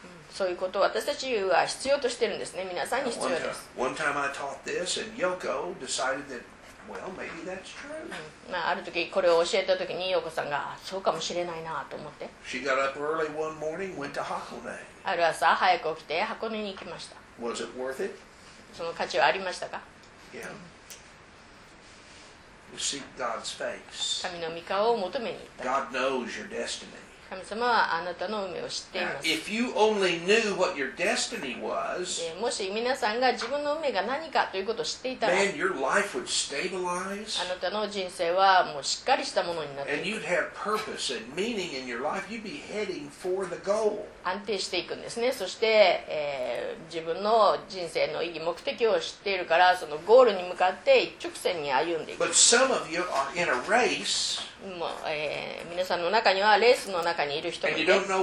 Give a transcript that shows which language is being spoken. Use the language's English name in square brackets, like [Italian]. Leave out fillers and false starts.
[Japanese] そういうことを私たちは必要としてるんですね。皆さんに必要です。 [English] One time I taught this and Yoko decided that, well, maybe that's true. [Japanese] ある時これを教えた時に Yoko さんがそうかもしれないなと思って。 [English] She got up early one morning, went to Hakone. [Japanese] ある朝早く起きて箱根に行きました。 [English] Was it worth it? [Japanese] その価値はありましたか？ [English] Yeah. You seek God's face. [Japanese] 神の御顔を求めに行った。 [English] God knows your destiny. [Japanese] 神様はあなたの運命を知っています。 [English] If you only knew what your destiny was, [Japanese] もし皆さんが自分の運命が何かということを知っていたら、 [English] then your life would stabilize, [Japanese] あなたの人生はもうしっかりしたものになっていく。 [English] And you'd have purpose and meaning in your life. You'd be heading for the goal. [Japanese] 安定していくんですね。そして、自分の人生の意義、目的を知っているから、そのゴールに向かって一直線に歩んでいく。 [English] But some of you are in a race. [Japanese] もう皆さんの中にはレースの中にいる人もいる。